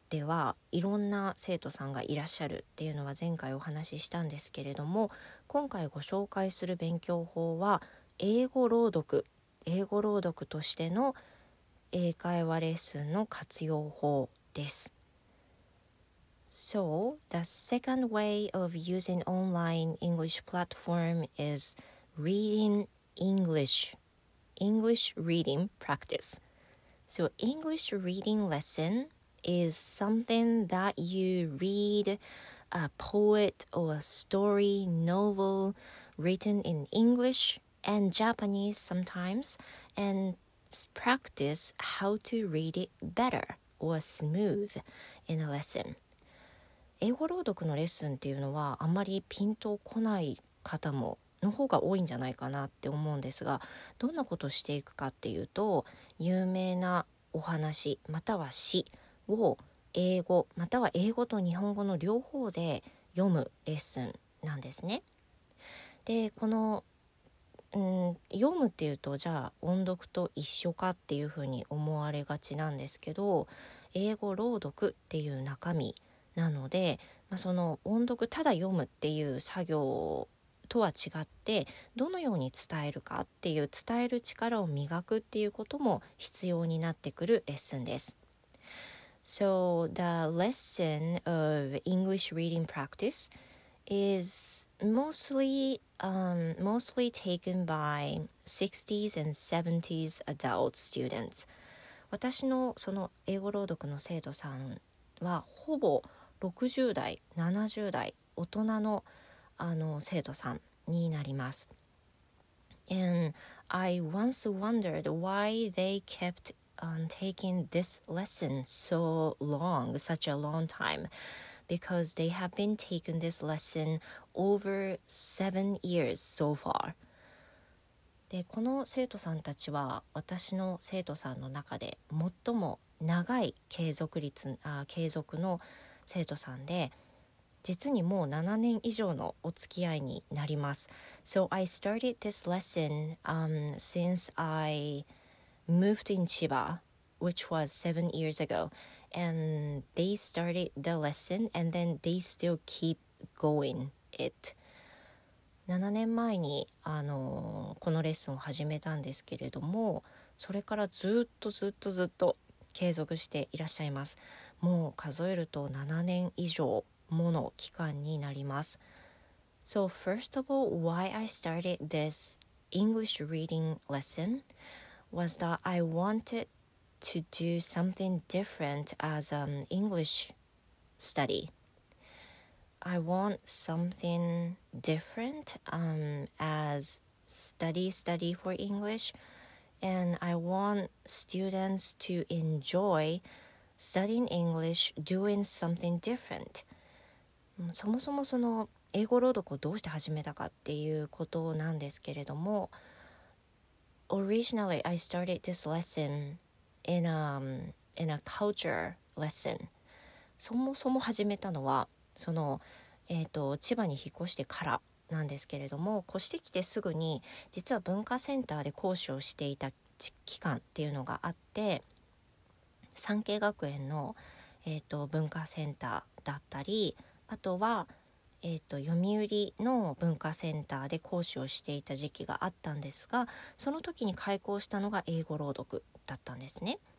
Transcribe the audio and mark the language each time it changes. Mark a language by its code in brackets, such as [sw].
[ja] ではいろんな生徒さんがいらっしゃるっていうのは前回お話ししたんですけれども、今回ご紹介する勉強法は英語朗読としての英会話レッスンの活用法です。 [en] So the second way of using online English platform is reading English reading practice. So English reading lesson is something that you read a poet or a story novel written in English and Japanese sometimes and practice how to read it better or smooth in a lesson. [ja] 英語朗読のレッスンっていうのはあまりピンとこない方もの方が多いんじゃないかなって思うんですが、どんなことをしていくかっていうと、有名なお話または詩を英語または英語と日本語の両方で読むレッスンなんですね。で、この、読むっていうとじゃあ音読と一緒かっていうふうに思われがちなんですけど、英語朗読っていう中身なので、その音読ただ読むっていう作業をとは違ってどのように伝えるかっていう伝える力を磨くっていうことも必要になってくるレッスンです。 [en] So the lesson of English reading practice is mostly taken by 60s and 70s adult students. [ja] 私のその英語朗読の生徒さんはほぼ60代70代大人の生徒さんになります。 [en] And I once wondered why they kept taking this lesson so long, such a long time, because they have been taking this lesson over 7 years so far. [ja] で、この生徒さんたちは私の生徒さんの中で最も長い継続の生徒さんで、実にもう7年以上のお付き合いになります。 [en] So I started this lesson since I moved in Chiba, which was 7 years ago. And they started the lesson and then they still keep going it. [ja] 7年前にこのレッスンを始めたんですけれども、それからずっと継続していらっしゃいます。もう数えると7年以上。もの期間になります。 [en] So first of all, why I started this English reading lesson was that I wanted to do something different as an English study. I want something different as study for English, and I want students to enjoy studying English doing something different. [ja] そもそもその英語朗読をどうして始めたかっていうことなんですけれども、 [en] Originally I started this lesson in a culture lesson. [ja] そもそも始めたのはその、千葉に引っ越してからなんですけれども、越してきてすぐに実は文化センターで講師をしていた期間っていうのがあって、産経学園の、文化センターだったり、あとは、読売の文化センターで講師をしていた時期があったんですが、その時に開講したのが英語朗読だったんですね。